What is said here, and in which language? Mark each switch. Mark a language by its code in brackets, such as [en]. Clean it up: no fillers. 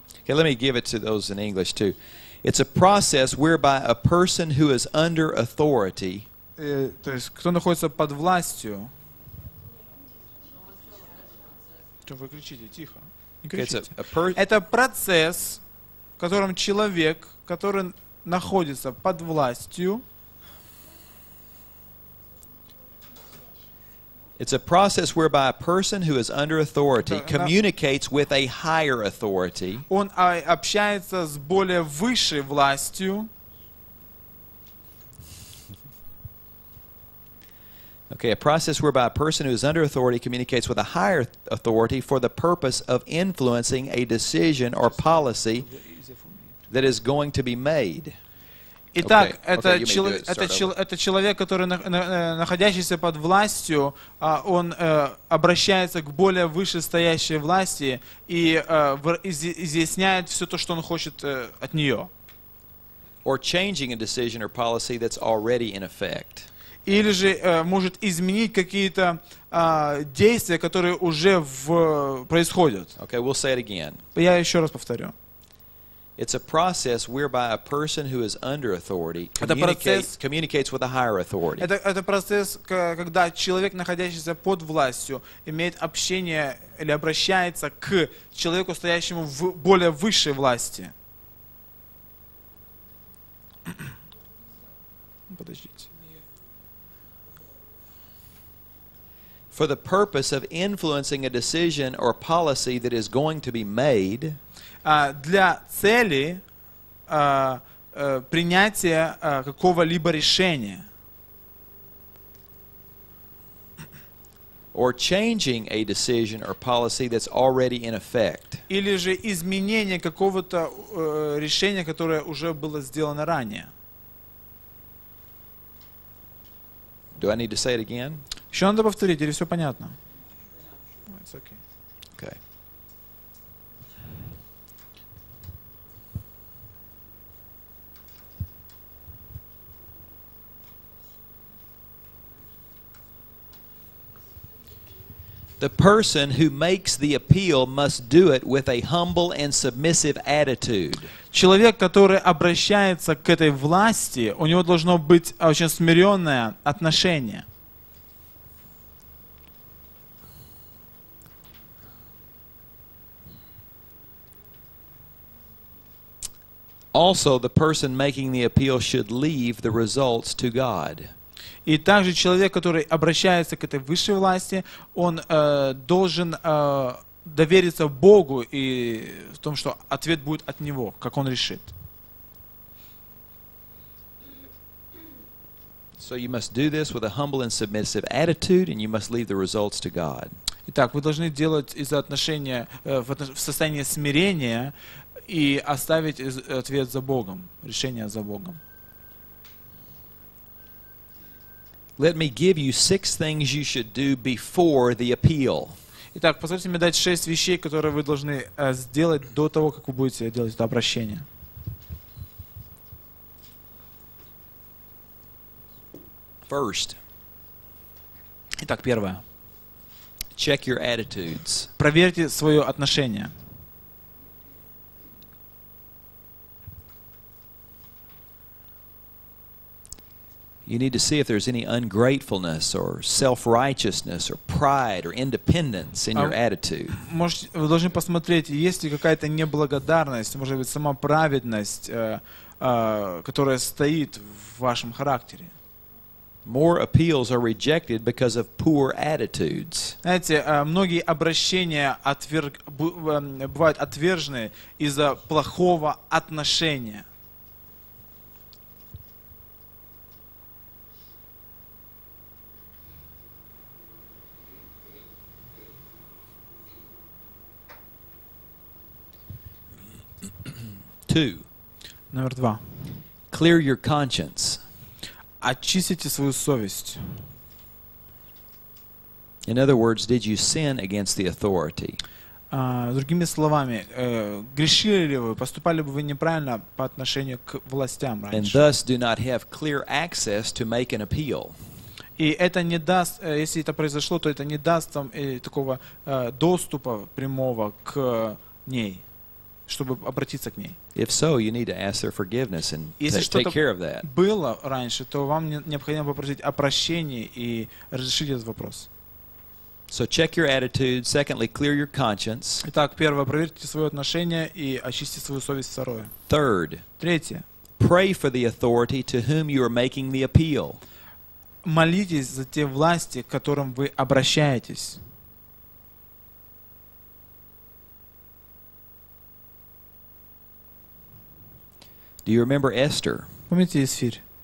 [en] Okay, let me give it to those in English too. It's a process whereby a person who is under authority. [ru] То есть, кто находится под властью. Выключите, тихо. Это процесс, в котором человек, который находится под властью, [en] it's a process whereby a person who is under authority communicates with a higher authority. [ru] Он общается с более высшей властью. [en] Okay, a process whereby a person who is under authority communicates with a higher authority for the purpose of influencing a decision or policy that is going to be made. [ru] Итак, это человек, который находящийся под властью, он обращается к более вышестоящей власти и изъясняет все то, что он хочет от нее. [en] Or changing a decision or policy that's already in effect. [ru] Или же может изменить какие-то действия, которые уже происходят. [en] Okay, we'll say it again. [ru] Я еще раз повторю. [en] It's a process whereby a person who is under authority communicates with a higher authority. [ru] Это процесс, когда человек, находящийся под властью, имеет общение или обращается к человеку, стоящему в более высшей власти. Подождите. [en] For the purpose of influencing a decision or policy that is going to be made. [ru] Для цели принятия какого-либо решения. [en] Or changing a decision or policy that's already in effect. [ru] Или же изменение какого-то решения, которое уже было сделано ранее. [en] Do I need to say it again? [ru] Еще надо повторить, или все понятно? [en] It's okay. Okay. The person who makes the appeal must do it with a humble and submissive attitude. [ru] Человек, который обращается к этой власти, у него должно быть очень смиренное отношение. [en] Also, the person making the appeal should leave the results to God. [ru] И также человек, который обращается к этой высшей власти, он должен довериться Богу и в том, что ответ будет от Него, как он решит. [en] So you must do this with a humble and submissive attitude, and you must leave the results to God. [ru] Итак, вы должны делать из-за отношения в состоянии смирения и оставить ответ за Богом, решение за Богом. [en] Let me give you six things you should do before the appeal. [ru] Итак, позвольте мне дать шесть вещей, которые вы должны сделать до того, как вы будете делать это обращение. [en] First. [ru] Итак, первое. [en] Check your attitudes. [ru] Проверьте свое отношение. [en] You need to see if there's any ungratefulness or self-righteousness or pride or independence in your attitude. [ru] Вы должны посмотреть, есть ли какая-то неблагодарность, может быть, самоправедность, которая стоит в вашем характере. [en] More appeals are rejected because of poor attitudes. [ru] Знаете, многие обращения бывают отвержены из-за плохого отношения. [en] Number two. Clear your conscience. [ru] Очистите свою совесть. [en] In other words, did you sin against the authority? [ru] Другими словами, грешили ли вы, поступали бы вы неправильно по отношению к властям раньше? [en] And thus do not have clear access to make an appeal. [ru] И это не даст, если это произошло, то это не даст вам такого доступа прямого к ней. Чтобы обратиться к ней. [en] If so, you need to ask their forgiveness and take care of that. [ru] Если что-то было раньше, то вам необходимо попросить о прощении и разрешить этот вопрос. [en] So check your attitude. Secondly, clear your conscience. [ru] Итак, первое, проверьте свое отношение и очистите свою совесть. Второе. [en] Third. [ru] Третье. [en] Pray for the authority to whom you are making the appeal. [ru] Молитесь за те власти, к которым вы обращаетесь. [en] Do you remember Esther? [ru] Помните Эстер?